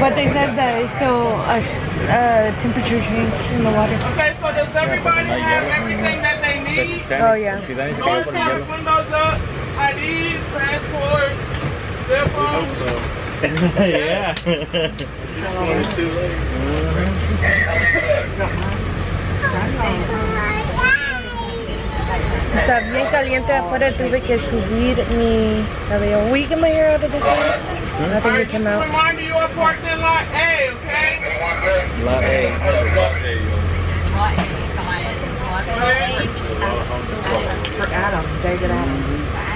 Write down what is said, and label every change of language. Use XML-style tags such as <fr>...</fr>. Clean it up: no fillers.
<en>But they said that it's still a temperature change in the water. Okay, so does everybody have everything that they need? Oh, yeah. Don't have windows up, IDs, passports, cell phones. Yeah.</en> <es>Está bien caliente afuera, tuve que subir mi cabello.</es> <en>We get my hair out of this one. I think it came out. Remind you, I parked in lot A, okay? Lot A. Lot A. For Adam, David Adam.</en>